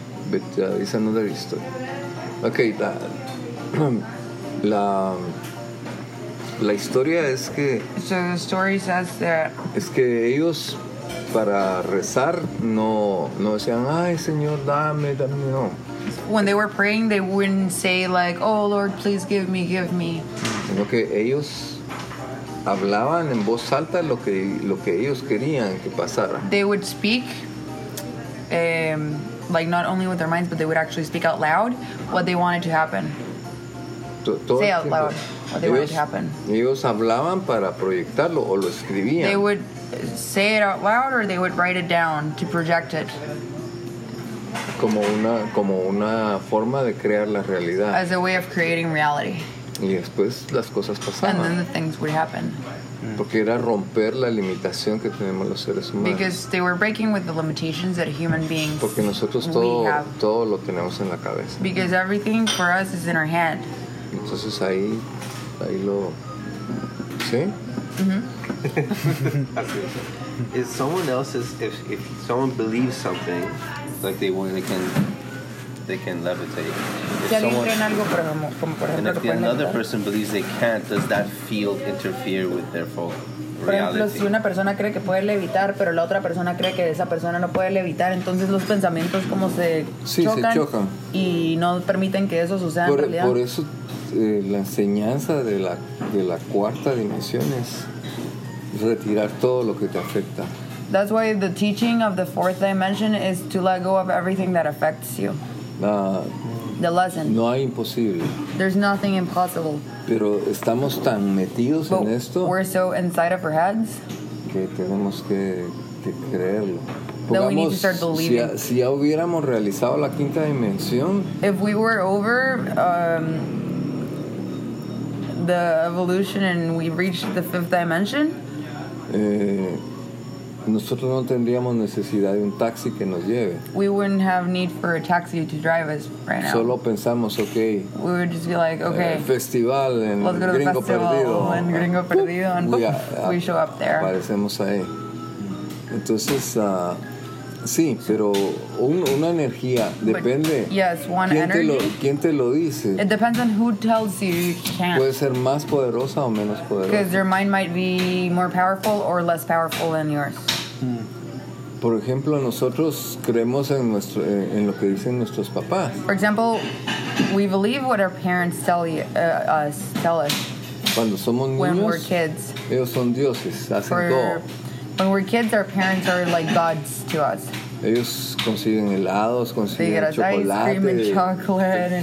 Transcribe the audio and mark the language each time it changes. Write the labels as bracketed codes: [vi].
[en] But it's another story. Okay, [es] la historia es que. [en] So the story says that. [es] Es que ellos. Para rezar, no decían, ay, Señor, dame, no. [en] When they were praying, they wouldn't say like, oh, Lord, please give me. [es] Sino que ellos hablaban en voz alta lo que ellos querían que pasara. [en] They would speak, like, not only with their minds, but they would actually speak out loud what they wanted to happen. Say out loud what they wanted to happen. [es] Ellos hablaban para proyectarlo o lo escribían. [en] They would say it out loud or they would write it down to project it. [es] Como una forma de crear la realidad. [en] As a way of creating reality. [es] Y después las cosas pasaban. [en] And then the things would happen. [es] Porque era romper la limitación que tenemos los seres humanos. [en] Because they were breaking with the limitations that human beings [es] Porque nosotros todo, [en] we have. [es] Todo lo tenemos en la cabeza. [en] Because everything for us is in our head. [es] Entonces ahí lo ¿sí? Mm-hmm. [en] If someone else's if someone believes something like they can levitate. If another person believes they can't, does that field interfere with their folk? [es] Por ejemplo, si una persona cree que puede levitar, pero la otra persona cree que esa persona no puede levitar, entonces los pensamientos como se chocan y no permiten que eso suceda por, en realidad. Por eso la enseñanza de la cuarta dimensión es retirar todo lo que te afecta. [en] That's why the teaching of the fourth dimension is to let go of everything that affects you. The lesson. [es] No hay imposible. [en] There's nothing impossible. [es] Pero estamos tan metidos [en] But [es] en esto. [en] We're so inside of our heads. [es] Que tenemos que creerlo. [en] That we need to start believing. [es] Si ya hubiéramos realizado la quinta dimensión. [en] If we were over the evolution and we reached the fifth dimension. [es] Nosotros no tendríamos necesidad de un taxi que nos lleve. [en] We wouldn't have need for a taxi to drive us right now. [es] Solo pensamos, okay. [en] We would just be like, okay. [es] Festival en Gringo Perdido. [en] En Gringo Perdido. And we show up there. [es] Aparecemos ahí. Entonces, sí, pero una energía depende. [en] But, yes, one [es] ¿quién [en] energy. [es] ¿Quién te lo dice? [en] It depends on who tells you you can't. [es] Puede ser más poderosa o menos poderosa. [en] Because your mind might be more powerful or less powerful than yours. [es] Por ejemplo, nosotros creemos en lo que dicen nuestros papás. [en] For example, we believe what our parents tell us. [es] Cuando somos niños, [en] when we're kids, [es] ellos son dioses, hacen todo. [en] When we're kids, our parents are like gods to us. [es] Ellos consiguen helados, consiguen chocolate. [en] They get us ice cream and chocolate.